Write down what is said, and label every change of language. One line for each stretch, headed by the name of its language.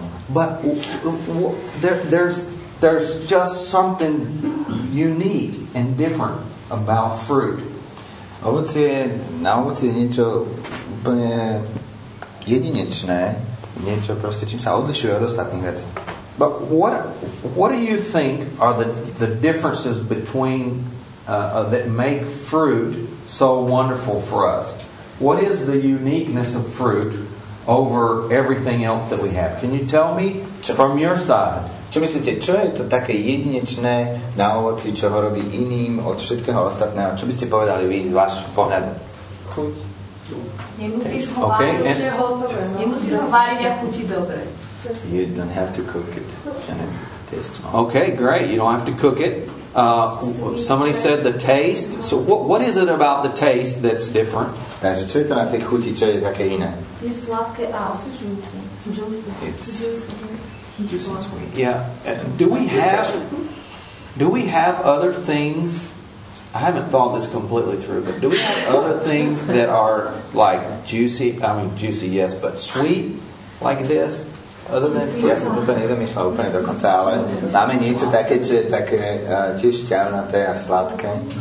English: But there's just something unique and different about fruit.
Slovak: Ovocie, na ovocie je niečo úplne jedinečné, niečo proste, čím sa odlišuje od ostatných vecí.
English: But what do you think are the differences between that make fruit so wonderful for us? What is the uniqueness of fruit over everything else that we have? Can you tell me from your side?
Slovak: Čo myslíte, čo je to také jedinečné na ovoci, čo ho robí iným od všetkého ostatného? Čo by ste povedali vy z vášho pohľadu? Chuť. Nemusíš ho okay. Váriť, už je hotové. No? Nemusíš ho váriť a chuti dobre.
English: You don't have to cook it. Okay, great. You don't have to cook it. Somebody said the taste. So what is it about the taste that's different? Takže čo je to na tej chuti, čo je také iné?
Slovak: Je sladké a
English: osvežujúce. It's juicy. Juicy and sweet. Yeah. Do we have other things? I haven't thought this completely through, but do we have other things that are like juicy? I mean, juicy, yes, but sweet like this? Other than fruit?
Slovak: Ja som toto nedomýšľal úplne do konca, ale máme niečo také, čo je také tiež šťavnaté a sladké.